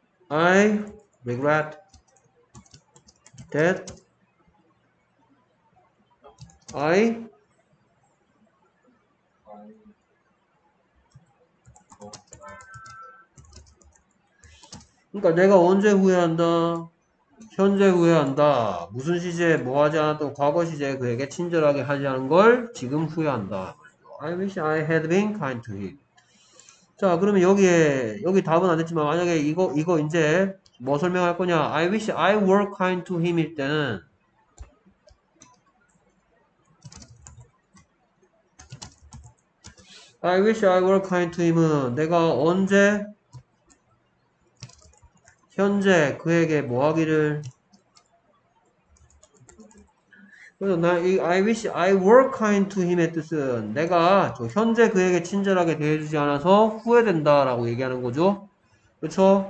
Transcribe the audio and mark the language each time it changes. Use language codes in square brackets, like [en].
[en] I regret that I [ko] 그러니까 내가 언제 후회한다? 현재 후회한다. 무슨 시제에 뭐 하지 않았던 과거 시제에 그에게 친절하게 하지 않은 걸 지금 후회한다. [en] I wish I had been kind to him. [ko] 자, 그러면 여기 답은 안 됐지만 만약에 이거 이제 뭐 설명할 거냐? [en] I wish I were kind to him [ko] 일 때는 I wish I were kind to him은 내가 언제 현재 그에게 뭐 하기를 그래서 나이 I wish I were kind to him의 뜻은 내가 저 현재 그에게 친절하게 대해주지 않아서 후회된다라고 얘기하는 거죠. 그렇죠?